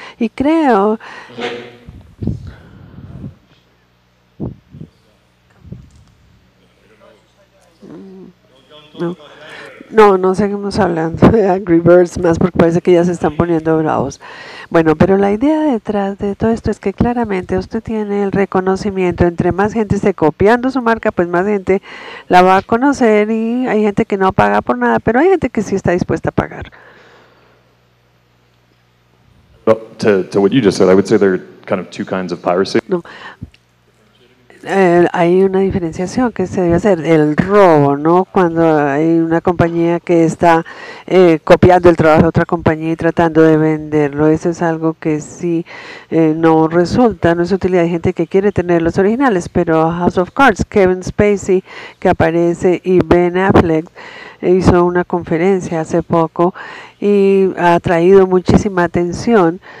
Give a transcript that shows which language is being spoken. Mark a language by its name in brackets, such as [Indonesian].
[Spanish] Y creo No seguimos hablando de Angry Birds más, porque parece que ya se están poniendo bravos. Bueno, pero la idea detrás de todo esto es que claramente usted tiene el reconocimiento. Entre más gente esté copiando su marca, pues más gente la va a conocer, y hay gente que no paga por nada, pero hay gente que sí está dispuesta a pagar. [English] To what you just said, I would say there are kind of two kinds of piracy. [Spanish] No. Hay una diferenciación que se debe hacer, el robo, ¿no? Cuando hay una compañía que está copiando el trabajo de otra compañía y tratando de venderlo, eso es algo que sí no resulta, no es utilidad. Hay gente que quiere tener los originales, pero House of Cards, Kevin Spacey, que aparece, y Ben Affleck, hizo una conferencia hace poco y ha atraído muchísima atención.